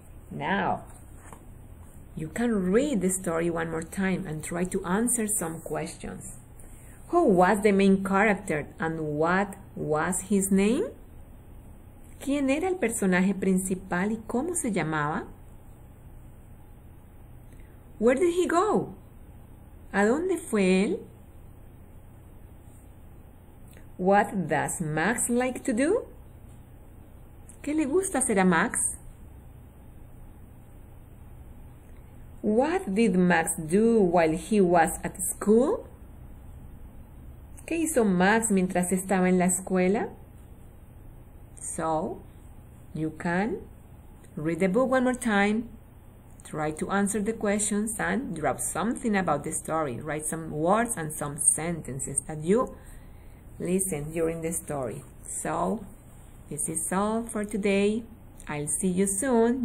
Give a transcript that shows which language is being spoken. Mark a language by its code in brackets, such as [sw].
[en] Now, you can read the story one more time and try to answer some questions. Who was the main character and what was his name? [es] ¿Quién era el personaje principal y cómo se llamaba? [en] Where did he go? [es] ¿A dónde fue él? [en] What does Max like to do? [es] ¿Qué le gusta hacer a Max? [en] What did Max do while he was at school? [es] ¿Qué hizo Max mientras estaba en la escuela? [en] So, you can read the book one more time, try to answer the questions, and drop something about the story. Write some words and some sentences that you listened during the story. So, this is all for today. I'll see you soon.